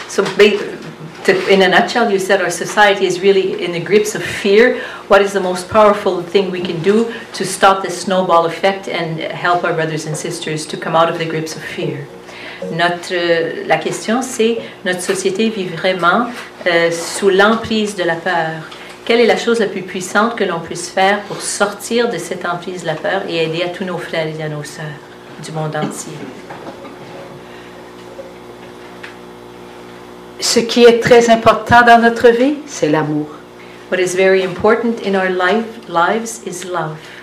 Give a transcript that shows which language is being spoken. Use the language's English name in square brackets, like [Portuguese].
[English] So, in a nutshell, you said our society is really in the grips of fear. What is the most powerful thing we can do to stop the snowball effect and help our brothers and sisters to come out of the grips of fear? [French] La question, c'est, notre société vit vraiment sous l'emprise de la peur. Quelle est la chose la plus puissante que l'on puisse faire pour sortir de cette emprise de la peur et aider à tous nos frères et à nos sœurs du monde entier? Ce qui est très important dans notre vie, c'est l'amour. [English] What is very important in our lives is love.